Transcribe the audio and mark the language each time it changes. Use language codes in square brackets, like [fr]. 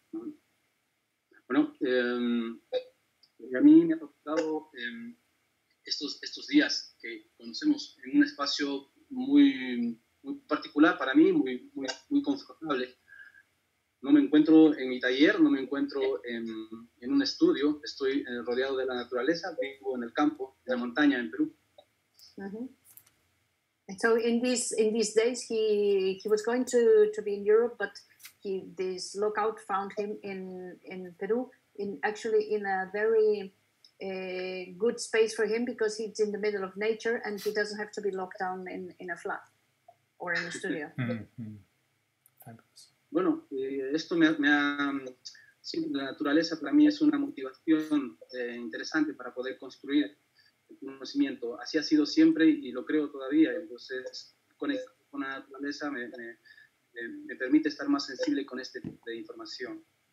[es] Bueno, a mí me ha tocado estos días que conocemos en un espacio muy particular para mí, muy confortable. No me encuentro en mi taller, no me encuentro en un estudio, estoy rodeado de la naturaleza, vivo en el campo, en la montaña, en Perú. Uh-huh. [en] So in these days he was going to be in Europe, but this lookout found him in Peru, in a very good space for him, because he's in the middle of nature and he doesn't have to be locked down in a flat. Or in the studio. Mm-hmm. [es] Bueno, esto me ha sí, la naturaleza para mí es una motivación interesante para poder construir el conocimiento. Así ha sido siempre y lo creo todavía. Entonces, con la naturaleza me permite estar más sensible con este tipo de información.